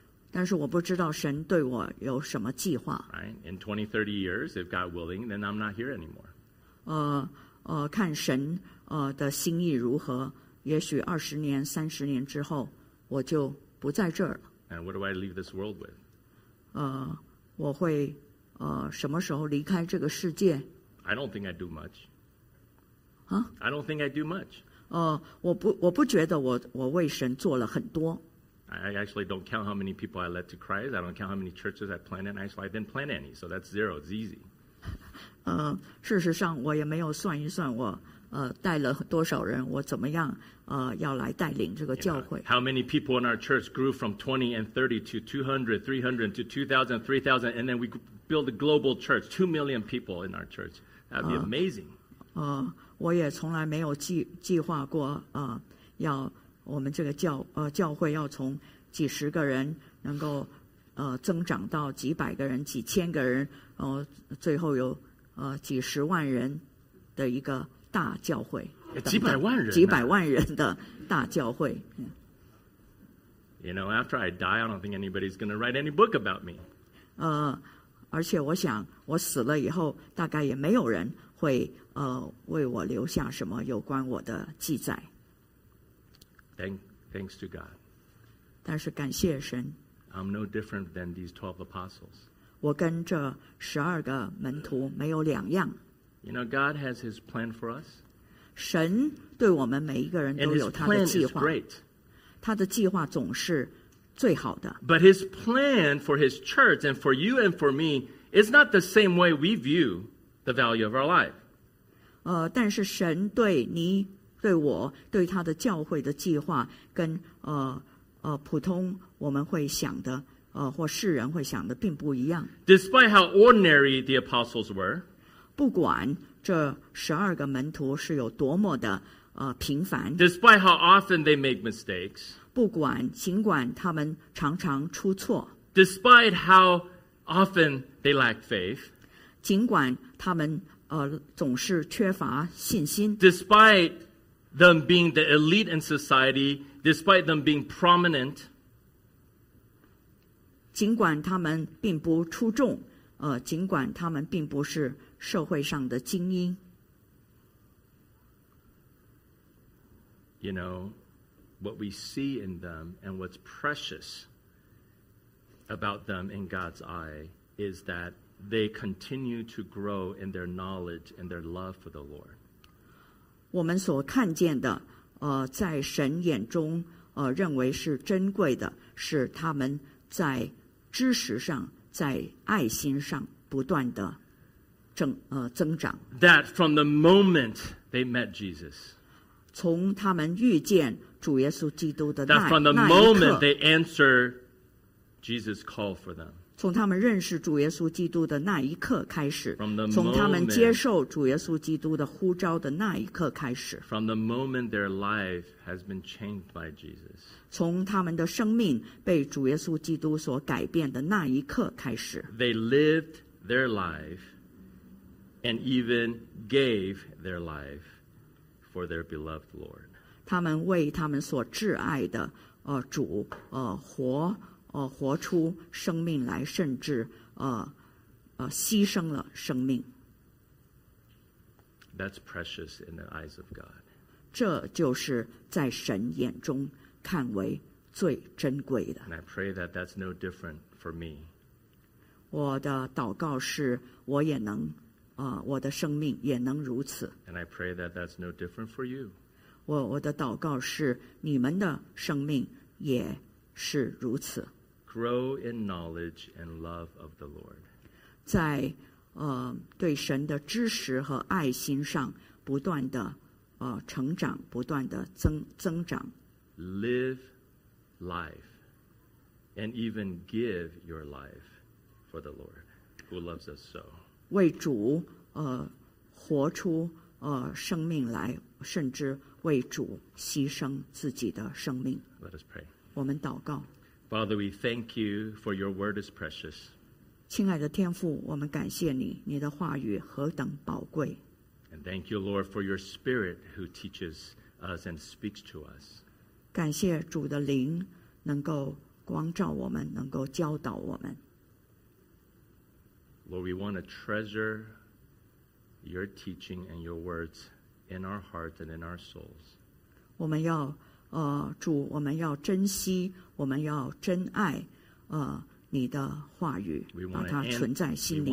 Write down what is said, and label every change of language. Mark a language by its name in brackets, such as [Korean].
[Chinese] 但是我不知道神对我有什么计划。 [English] Right? In 20, 30 years, if God willing, then I'm not here anymore. [Chinese] 看神。的心意如何？也许20年、30年之后，我就不在这儿了。 [English] And what do I leave this world with? [Chinese] 我会什么时候离开这个世界 [English] ？I don't think I do much. 啊？I don't think I do much. [Chinese] 我不觉得我为神做了很多。 [English] I actually don't count how many people I led to Christ. I don't count how many churches I planted. Actually, I didn't plant any, so that's zero. It's easy. [Chinese] 事实上，我也没有算一算我。带了多少人？我怎么样？要来带领这个教会 [English] ？How many people in our church grew from 20 and 30 to 200, 300 to 2,000, 3,000, and then we build a global church, 2 million people in our church. That'd be amazing. [Chinese] 我也从来没有计划过要我们这个教会要从几十个人能够增长到几百个人、几千个人，然后最后有几十万人的一个。大教会几百万人、啊、几百万人的大教会、 [English] 嗯、You know, after I die, I don't think anybody's going to write any book about me. [Chinese] 而且我想我死了以后大概也没有人会为我留下什么有关我的记载。 [English] Thanks to God. [Chinese] 但是感谢神。 [English] I'm no different than these 12 apostles. [Chinese] 我跟这十二个门徒没有两样。 [English] You know, God has His plan for us. [Chinese] 神对我们每一个人都有他的计划。 [English] And His plan is great. [Chinese] 他的计划总是最好的。 [English] But his plan for his church and for you and for me is not the same way we view the value of our life. [Chinese] 但是神对你、对我、对他的教会的计划跟普通我们会想的或世人会想的并不一样。 [English] Despite how ordinary the apostles were, [Chinese] 不管这十二个门徒是有多么的平凡。 [English] Despite how often they make mistakes, [Chinese] 不管尽管他们常常出错。 [English] Despite how often they lack faith, [Chinese] 尽管他们总是缺乏信心。 [English] Despite them being the elite in society, despite them being prominent, [Chinese] 尽管他们并不出众尽管他们并不是社会上的精英。 [English] You know, what we see in them and what's precious about them in God's eye is that they continue to grow in their knowledge and their love for the Lord. [Chinese] 我们所看见的在神眼中认为是珍贵的是他们在知识上在爱心上不断的增长。 [English] That from the moment they met Jesus, [Chinese] 从他们遇见主耶稣基督的那一刻, [English] that from the moment they answer Jesus' call for them, [Chinese] 从他们认识主耶稣基督的那一刻开始, [English] from the moment, [Chinese] 从他们接受主耶稣基督的呼召的那一刻开始, [English] from the moment their life has been changed by Jesus, [Chinese] 从他们的生命被主耶稣基督所改变的那一刻开始, [English] they lived their life and even gave their life for their beloved Lord. [Chinese] 他们为他们所挚爱的主活出生命来，甚至牺牲了生命。 [English] That's precious in the eyes of God. [Chinese] 这就是在神眼中看为最珍贵的。 [English] And I pray that that's no different for me. [Chinese] 我的祷告是，我也能我的生命也能如此。 [English] And I pray that that's no different for you. [Chinese] 我的祷告是，你们的生命也是如此。 [English] Grow in knowledge and love of the Lord. [Chinese] 在对神的知识和爱心上不断的成长，不断的增长。 [English] Live life and even give your life for the Lord who loves us so. [Chinese] 为主活出生命来，甚至为主牺牲自己的生命。 [English] Let us pray. [Chinese] 我们祷告。 [English] Father, we thank you for your word is precious. [Chinese] 亲爱的天父，我们感谢你，你的话语何等宝贵。 [English] And thank you, Lord, for your spirit who teaches us and speaks to us. [Chinese] 感谢主的灵能够光照我们，能够教导我们。 [English] Lord, we want to treasure your teaching and your words in our hearts and in our souls. [Chinese] 我们要主，我们要珍惜，我们要珍爱你的话语，把它存在心里。